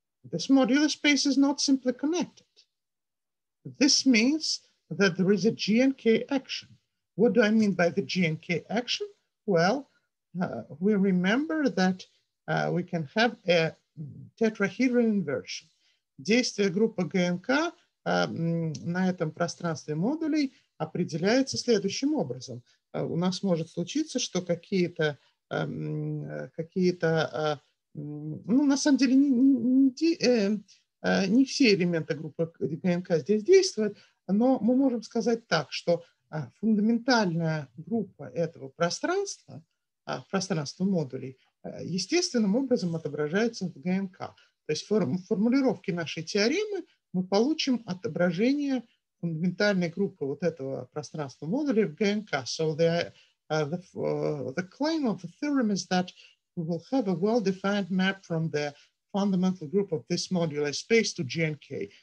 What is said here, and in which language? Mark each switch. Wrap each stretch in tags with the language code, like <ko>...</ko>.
<en>This modular space is not simply connected. This means that there is a GnK action. What do I mean by the GnK action? Well, we remember that we can have a tetrahedral inversion.</en> <ru>Действие группы ГНК на этом пространстве модулей определяется следующим образом. У нас может случиться, что не все элементы группы ГНК здесь действуют, но мы можем сказать так, что фундаментальная группа этого пространства, пространство модулей, естественным образом отображается в ГНК. То есть формулировки нашей теоремы мы получим отображение фундаментальной группы вот этого пространства модулей в ГНК.</ru> <en>So the claim of the theorem is that we will have a well-defined map from the fundamental group of this modular space to GnK.</en>